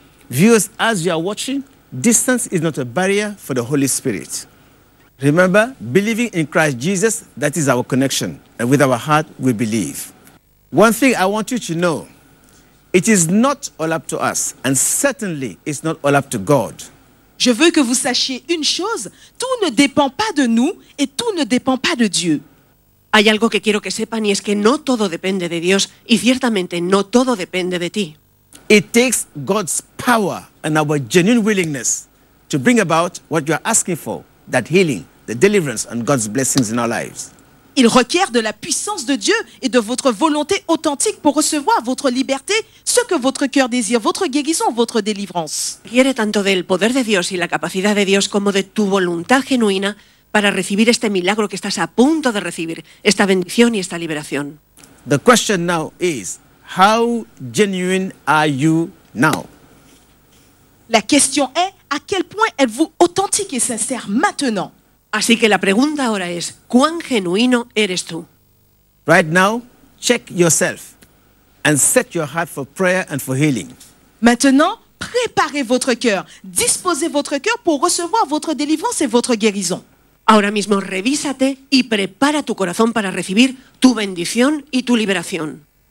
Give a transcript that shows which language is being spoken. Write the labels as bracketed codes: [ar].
[en] Viewers, as you are watching, distance is not a barrier for the Holy Spirit. Remember, believing in Christ Jesus, that is our connection. And with our heart, we believe. One thing I want you to know, It is not all up to us, and certainly it's not all up to God. [fr] Je veux que vous sachiez une chose, tout ne dépend pas de nous et tout ne dépend pas de Dieu. [es] Hay algo que quiero que sepan y es que no todo depende de Dios y ciertamente no todo depende de ti. [en] It takes God's power and our genuine willingness to bring about what you are asking for, that healing, the deliverance and God's blessings in our lives. [fr] Il requiert de la puissance de Dieu et de votre volonté authentique pour recevoir votre liberté, ce que votre cœur désire, votre guérison, votre délivrance. [es] Requiere tanto del poder de Dios y la capacidad de Dios como de tu voluntad genuina para recibir este milagro que estás a punto de recibir, esta bendición y esta liberación. [en] The question now is, how genuine are you now? [fr] La question est, à quel point êtes-vous authentique et sincère maintenant? [es] Así que la pregunta ahora es, ¿cuán genuino eres tú? [en] Right now, check yourself and set your heart for prayer and for healing. [fr] Maintenant, préparez votre cœur, disposez votre cœur pour recevoir votre délivrance et votre guérison. [es] Ahora mismo, revísate y prepara tu corazón para recibir tu bendición y tu liberación.